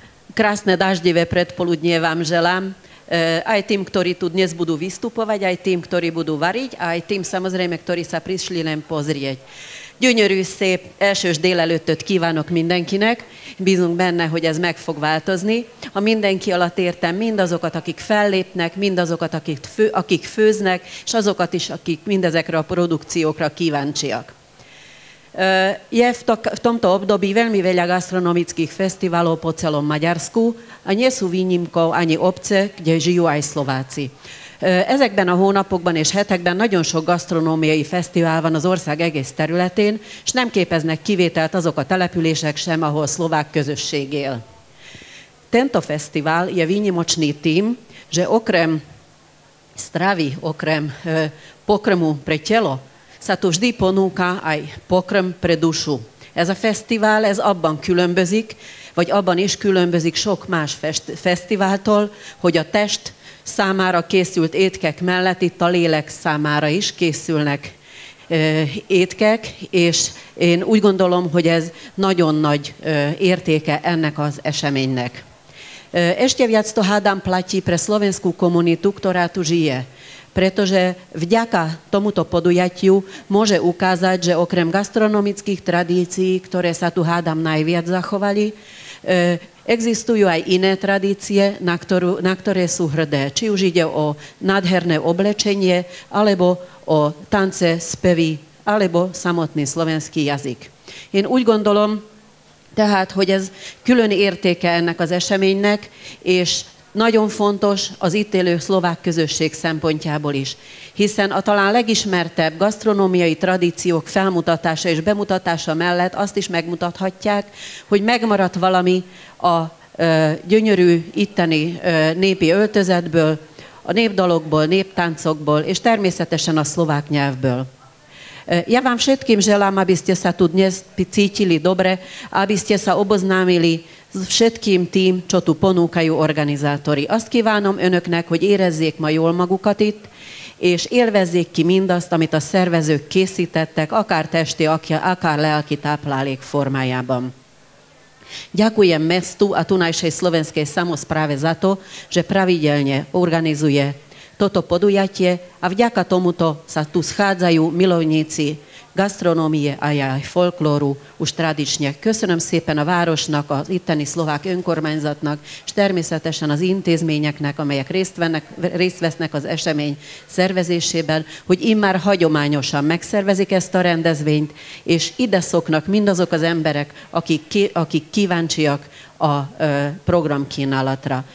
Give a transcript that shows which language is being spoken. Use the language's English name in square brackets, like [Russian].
[Slovak] Krásne daždivé predpoludnie vám želám, aj tým, ktorí tu dnes budú vystupovať, aj tým, ktorí budú variť, aj tým samozrejme, ktorí sa prišli len pozrieť. [Hungarian] Gyönyörű, szép elsős délelőttöt kívánok mindenkinek. Bízunk benne, hogy ez meg fog változni. A mindenki alatt értem mindazokat, akik fellépnek, mindazokat, akik főznek, és azokat is, akik mindezekre a produkciókra kíváncsiak. [Slovak] Je v tomto období veľmi veľa gastronomických festivalov po celom Maďarsku a nie sú výnimkou ani obce, kde žijú aj Slováci. [Hungarian] Ezekben a hónapokban és hetekben nagyon sok gasztronómiai fesztivál van az ország egész területén, és nem képeznek kivételt azok a települések sem, ahol szlovák közösség él. [Slovak] Tento fesztivál je výnimočný tým, že okrem stravy, okrem pokrmu pre telo, sa tu vždy ponúka aj pokrm pre dušu. [Hungarian] Ez a fesztivál, ez abban különbözik, vagy abban is különbözik sok más fesztiváltól, hogy a test számára készült étkek mellett itt a lélek számára is készülnek étkek, és én úgy gondolom, hogy ez nagyon nagy értéke ennek az eseménynek. [Slovak] Ešte viac to hádam platí pre slovenskú komunitu, ktorá tu žije. Pretože vďaka tomuto podujatiu môže ukázať, že okrem gastronomických tradícií, ktoré sa tu hádam najviac zachovali, existujú aj iné tradície, na ktoré sú hrdé. Či už ide o nádherné oblečenie, alebo o tance, spevy, alebo samotný slovenský jazyk. [Hungarian] Én úgy gondolom, tehát, hogy ez külön értéke ennek az eseménynek, és nagyon fontos az itt élő szlovák közösség szempontjából is, hiszen a talán legismertebb gasztronómiai tradíciók felmutatása és bemutatása mellett azt is megmutathatják, hogy megmaradt valami a gyönyörű itteni népi öltözetből, a népdalokból, néptáncokból és természetesen a szlovák nyelvből. [Slovak] Ja vám všetkým želám, aby ste sa tu dnes cítili dobre, aby ste sa oboznámili s všetkým tým, čo tu ponúkajú organizátori. [Hungarian] Azt kívánom önöknek, hogy érezzék ma jól magukat itt, és élvezzék ki mindazt, amit a szervezők készítettek, akár testi, akár lelki táplálék formájában. [Slovak] Ďakujem mestu a tunajšej slovenskej samospráve za to, že pravidelne organizuje toto podujatie a vďaka tomuto sa tu schádzajú milovníci gastronómie a aj folklóru už tradične. [Hungarian] Köszönöm szépen a városnak, az itteni szlovák önkormányzatnak, és természetesen az intézményeknek, amelyek részt vesznek az esemény szervezésében, hogy immár hagyományosan megszervezik ezt a rendezvényt, és ide szoknak mindazok az emberek, akik kíváncsiak a programkínálatra.